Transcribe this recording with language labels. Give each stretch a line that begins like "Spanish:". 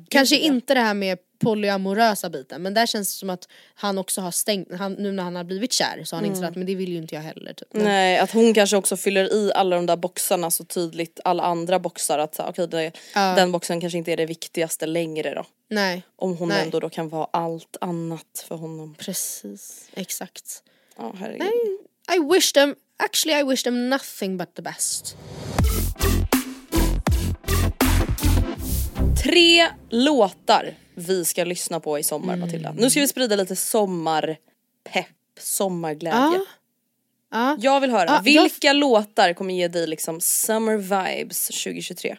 Swedish: kanske inte det här med polyamorösa biten, men där känns det som att han också har stängt, nu när han har blivit kär så har han insett, men det vill ju inte jag heller typ. Nej, att hon kanske också fyller i alla de där boxarna så tydligt, alla andra boxar, att den boxen kanske inte är det viktigaste längre då. Nej. Om hon ändå då kan vara allt annat för honom. Precis, exakt. Herregud.
English: I wish them nothing but the best.
Swedish: Tre låtar vi ska lyssna på i sommar, Matilda. Nu ska vi sprida lite sommarpepp, sommarglädje. Jag vill höra, vilka låtar kommer ge dig liksom
English: summer vibes
Swedish: 2023?